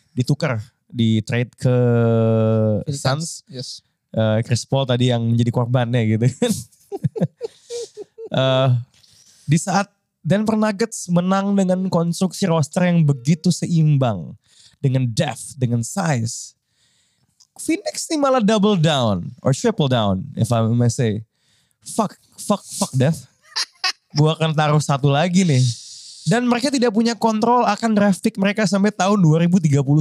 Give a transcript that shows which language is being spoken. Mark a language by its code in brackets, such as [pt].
[id] Ditukar. Di trade ke Phoenix Suns. [en] Yes. [id] Chris Paul tadi yang jadi korbannya gitu kan. di saat Denver Nuggets menang dengan konstruksi roster yang begitu seimbang. Dengan depth, dengan size. Phoenix ini malah double down. [en] Or triple down if I may say. Fuck depth. [id] Gua akan taruh satu lagi nih. Dan mereka tidak punya kontrol akan draft pick mereka sampai tahun 2031.